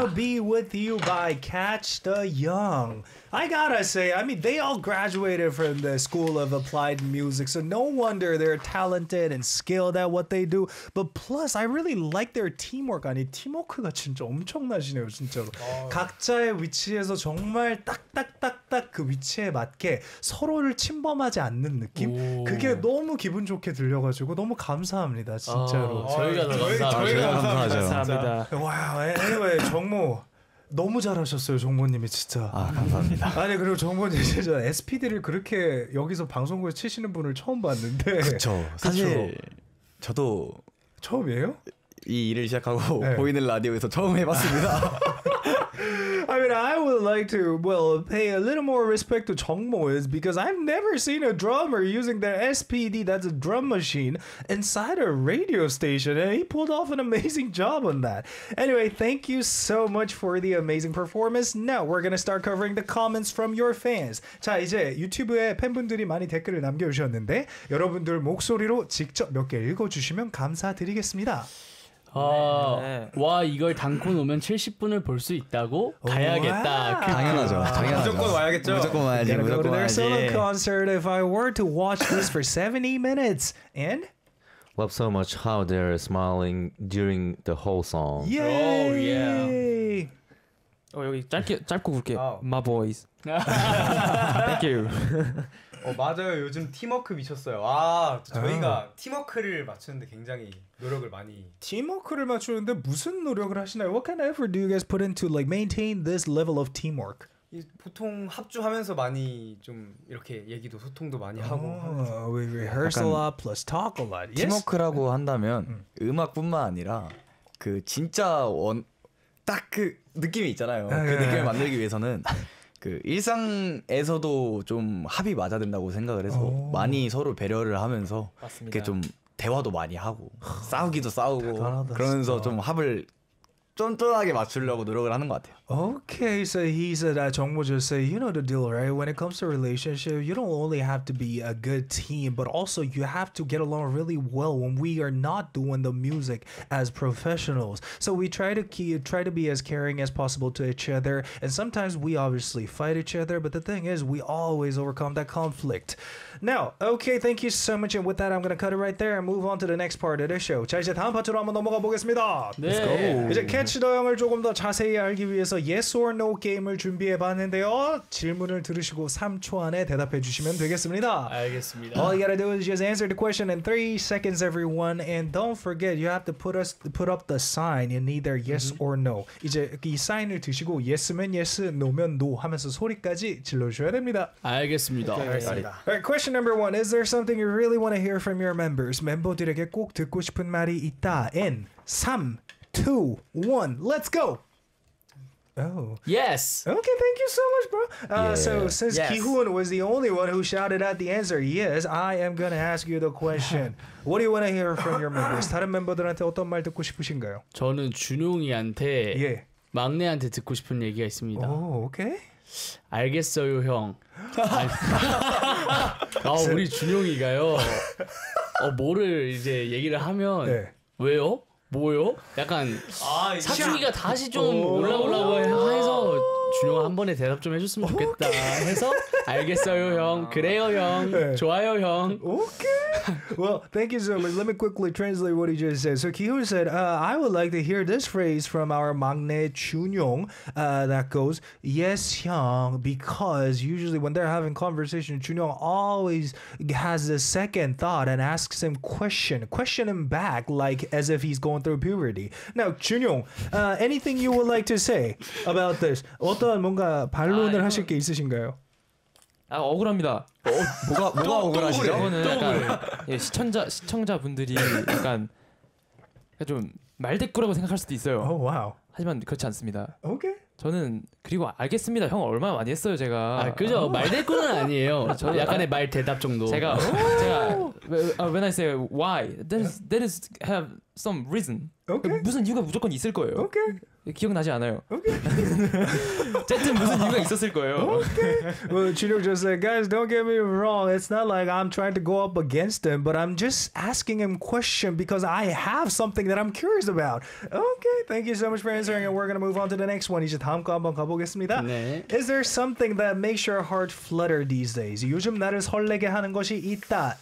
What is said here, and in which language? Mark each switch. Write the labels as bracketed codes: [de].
[en] Wanna be with you by Catch the Young. I gotta say, I mean, they all graduated from the School of Applied Music, so no wonder they're talented and skilled at what they do. But plus, I really like their teamwork. [ko] 아니, 팀워크가 진짜 엄청나시네요, 진짜로. Oh. 각자의 위치에서 정말 딱딱딱딱 그 위치에 맞게 서로를 침범하지 않는 느낌? Oh. 그게 너무 기분 좋게 들려가지고 너무 감사합니다, 진짜로. Oh. 저희가 더 감사하죠. 감사합니다. 와우, anyway, 정모. 너무 잘하셨어요, 정모님이 진짜. 아, 감사합니다. 아니, 그리고 정모님 진짜 SPD를 그렇게 여기서 방송국에 치시는 분을 처음 봤는데. 그쵸. 사실 저도 처음이에요? 이 일을 시작하고 네. 보이는 라디오에서 처음 해봤습니다. [en] I mean, I would like to, well, pay a little more respect to 정모 is because I've never seen a drummer using the SPD, that's a drum machine, inside a radio station, and he pulled off an amazing job on that. Anyway, thank you so much for the amazing performance. Now, we're going to start covering the comments from your fans. [ko] 자, 이제 유튜브에 팬분들이 많이 댓글을 남겨주셨는데, 여러분들 목소리로 직접 몇 개 읽어주시면 감사드리겠습니다. 아, 네. 와 이걸 단콘 오면 70분을 볼 수 있다고 오, 가야겠다. 와. 당연하죠. 당연하죠. 무조건 와야겠죠. 무조건 와야지. [en] Gonna [ko] 무조건 [en] go to [ko] 와야지. [en] Their solo concert if I were to watch this for 70 minutes and love so much how they're smiling during the whole song. Yay! Oh yeah. [ko] 어 여기 짧게 굵게. [en] Oh. My boys. Thank you. [ko] 어 맞아요. 요즘 팀워크 미쳤어요. 아 저희가 팀워크를 맞추는데 굉장히 노력을 많이 팀워크를 맞추는데 무슨 노력을 하시나요? [en] What kind of effort do you guys put into like maintain this level of teamwork? [ko] 보통 합주하면서 많이 좀 이렇게 얘기도 소통도 많이 하고 [en] We rehearse a lot plus talk a lot. [ko] 팀워크라고 yes? 한다면 음악뿐만 아니라 그 진짜 원 딱 그 느낌이 있잖아요. 그 느낌을 만들기 위해서는 그 일상에서도 좀 합이 맞아야 된다고 생각을 해서 오. 많이 서로 배려를 하면서 이렇게 좀 대화도 많이 하고 싸우기도 싸우고 대단하다, 그러면서 진짜. 좀 합을 쫀쫀하게 맞추려고 노력을 하는 것 같아요. [en] Okay, so he said, "Jongmo just say, you know the deal, right? When it comes to relationship, you don't only have to be a good team, but also you have to get along really well when we are not doing the music as professionals. So we try to be as caring as possible to each other, and sometimes we obviously fight each other, but the thing is, we always overcome that conflict. Now, okay, thank you so much, and with that, I'm gonna cut it right there and move on to the next part of the show. [ko] 자, 이제 다음 파트로 한번 넘어가 보겠습니다. 네. [en] Let's go. [ko] 이제 Catch the Young을 조금 더 자세히 알기 위해 그래서 yes or no 게임을 준비해 봤는데요. 질문을 들으시고 3초 안에 대답해 주시면 되겠습니다. 알겠습니다. [en] All you gotta do is just answer the question in 3 seconds everyone and don't forget you have to put up the sign in either yes mm-hmm. or no. [ko] 이제 이 사인을 드시고 yes면 yes, no면 no 하면서 소리까지 질러 주셔야 됩니다. 알겠습니다. Okay, 알겠습니다. [en] All right, question number 1. Is there something you really want to hear from your members? [ko] 멤버들에게 꼭 듣고 싶은 말이 있다. [en] In 3 2 1. Let's go. Oh. Yes. Okay, thank you so much, bro. Since Ki-hoon was the only one who shouted out the answer, yes, I am going to ask you the question. What do you want to hear from your members? [ko] 다른 멤버들한테 어떤 말 듣고 싶으신가요? 저는 준용이한테 막내한테 듣고 싶은 얘기가 있습니다. [en] Oh, okay. [ko] 알겠어요, 형. 아, 우리 준용이가요. 뭐를 이제 얘기를 하면 네. 왜요? 뭐요? 약간 사춘기가 다시 좀 올라오려고 해서 준용아 한 번에 대답 좀 해줬으면 좋겠다 오케이. 해서 알겠어요 형 그래요 형 네. 좋아요 형 [en] 오케이 Well, thank you so much. Let me quickly translate what he just said. So Ki-hoon said, I would like to hear this phrase from our 막내 준용 that goes, yes, 형, because usually when they're having conversation, 준용 always has a second thought and asks him question him back, like as if he's going through puberty. Now, 준용, anything you would like to say about this? [ko] 어떤 뭔가 반론을 하실 게 있으신가요? 아 억울합니다. 뭐가 억울하시죠? 이거는 약간 예, 시청자분들이 약간 좀 말대꾸라고 생각할 수도 있어요. [en] Oh, wow. [ko] 하지만 그렇지 않습니다. [en] Okay. [ko] 저는 그리고 알겠습니다. 형 얼마나 많이 했어요 제가. 아 그죠. 말대꾸는 아니에요. 저는 약간의 말 대답 정도. 제가 [en] when I say why, that is have some reason. Okay. [ko] 무슨 이유가 무조건 있을 거예요. [en] Okay. [ko] 기억나지 않아요. [en] Okay. [ko] 어쨌든 무슨 이유가 있었을 거예요. [en] Okay. Well, Junior just said, guys, don't get me wrong. It's not like I'm trying to go up against him, but I'm just asking him question because I have something that I'm curious about. Okay. Thank you so much for answering, and we're gonna move on to the next one. [ko] 이제 다음 거 한번 가보겠습니다. 네. [en] Is there something that makes your heart flutter these days? [ko] 요즘 나를 설레게 하는 것이 있다.